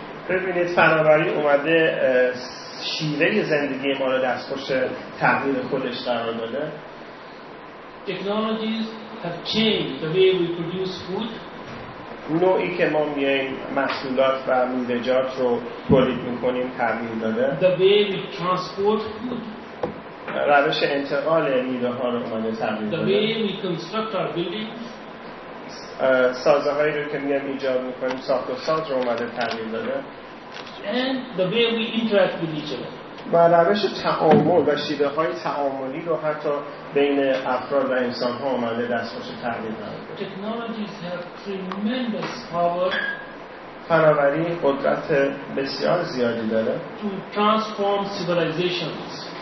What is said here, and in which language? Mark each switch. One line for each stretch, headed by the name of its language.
Persian: ببینید فناوری اومده شیوه زندگی ما رو دستخوش تغییر خودش قرار داده.
English: Technologies have changed the way we produce food.
Persian: نوعی که ما میایم محصولات و میوه‌جات رو تولید میکنیم تغییر داده.
English: The way we transport food.
Persian: روش انتقال میوه ها رو اومده تغییر داده.
English: The way we construct our buildings.
Persian: سازه هایی رو که میایم ایجاد میکنیم ساخت و ساز رو اومده تغییر داده.
English: And the way we interact with each other.
Persian: و روش تعامل و شیوه های تعاملی رو حتی بین افراد و انسان ها اومده دستخوش تغییر داده.
English: Technologies have tremendous power.
Persian: فناوری قدرت بسیار زیادی داره.
English: To transform civilizations.